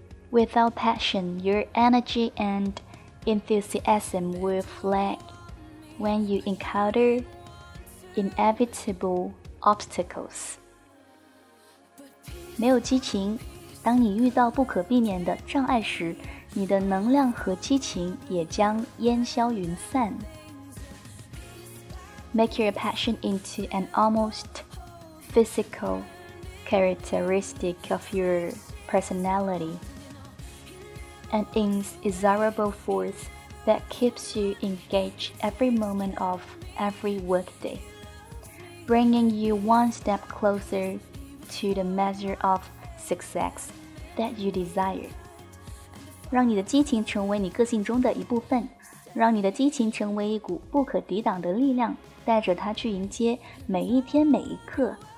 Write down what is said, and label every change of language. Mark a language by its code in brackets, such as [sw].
[en] Without passion, your energy and enthusiasm will flag when you encounter inevitable obstacles. [zh] 没有激情，当你遇到不可避免的障碍时，你的能量和激情也将烟消云散。 [en] Make your passion into an almost... physical characteristic of your personality, an inexorable force that keeps you engaged every moment of every workday, bringing you one step closer to the measure of success that you desire. [zh] 让你的激情成为你个性中的一部分，让你的激情成为一股不可抵挡的力量，带着它去迎接每一天每一刻。